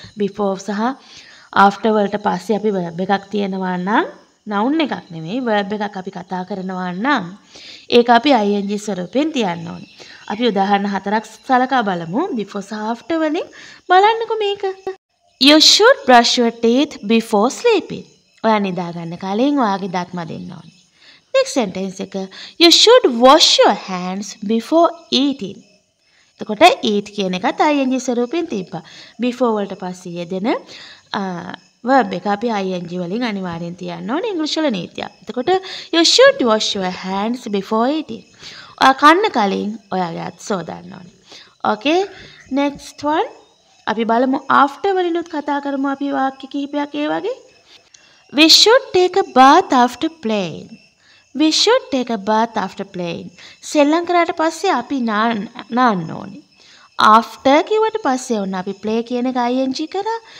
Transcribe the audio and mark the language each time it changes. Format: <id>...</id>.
<si>Before සහ after වලට පස්සේ අපි verb එකක් තියෙනවා නම් noun එකක් නෙමෙයි verb එකක් අපි කතා කරනවා නම් ඒක අපි ing ස්වරූපෙන් තියන්න ඕනේ. අපි උදාහරණ හතරක් සලකා බලමු before සහ after වලින්. බලන්නකෝ මේක.</si> <en>You should brush your teeth before sleeping.</en> <si>ඔයා නිදාගන්න කලින් ඔයාගේ දත් මදින්න ඕනේ.</si> <en>Next sentence එක you should wash your hands before eating.</en> <si>එතකොට eat කියන එකත් ing ස්වරූපෙන් තියපා. Before වලට පස්සේ යෙදෙන verb එක අපි ing වලින් අනිවාර්යෙන් තියන්න ඕනේ ඉංග්‍රීසි වල නීතිය.</si> <en>එතකොට you should wash your hands before eating.</en> <si>ඔයා කන්න කලින් ඔයාගේ අත් සෝදන්න ඕනේ.</si> <en>Okay, next one</en> <si>අපි බලමු after වලිනුත් කතා කරමු අපි වාක්‍ය කිහිපයක් ඒ වගේ.</si> <en>We should take a bath after playing. We should take a bath after playing.</en> <si>සෙල්ලම් කරාට පස්සේ අපි නාන්න ඕනේ. After කිව්වට පස්සේ වුණ අපි play කියන එක ing කරා.</si>